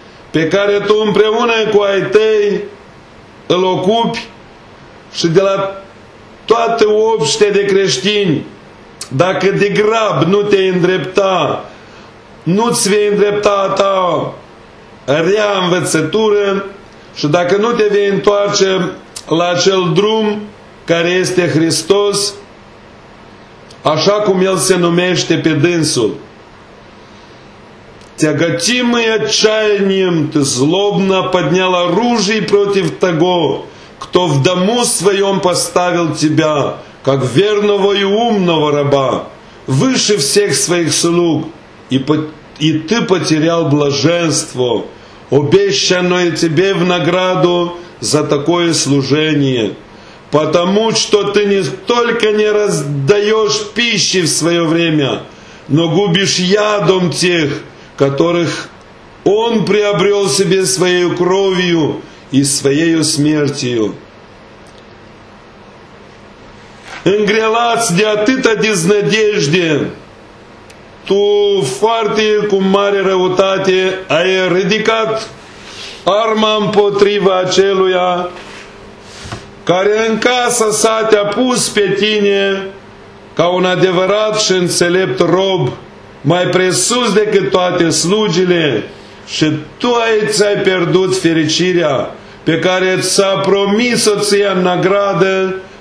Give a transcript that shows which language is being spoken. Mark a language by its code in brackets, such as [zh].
[ro] pe care tu împreună cu ai tăi îl ocupi și de la toată obște de creștini, dacă de grab nu te îndrepta, nu ți vei îndrepta a ta rea învățătură și dacă nu te vei întoarce la acel drum care este Hristos, așa cum El se numește pe dânsul. [ru] Тяготимый отчаянием ты злобно поднял оружие против того, кто в дому своем поставил тебя, как верного и умного раба, выше всех своих слуг, и ты потерял блаженство, обещанное тебе в награду за такое служение, потому что ты не только не раздаешь пищи в свое время, но губишь ядом тех, которых он приобрел себе своей кровью и своей смертью. [ro] Înghrelați de atâta deznădejde, tu foarte cu mare răutate ai ridicat arma împotriva aceluia care în casa sa te-a pus pe tine ca un adevărat și înțelept rob, mai presus decât toate slujile, și tu ți-ai pierdut fericirea pe care ți-a promis-o ție în nagradă.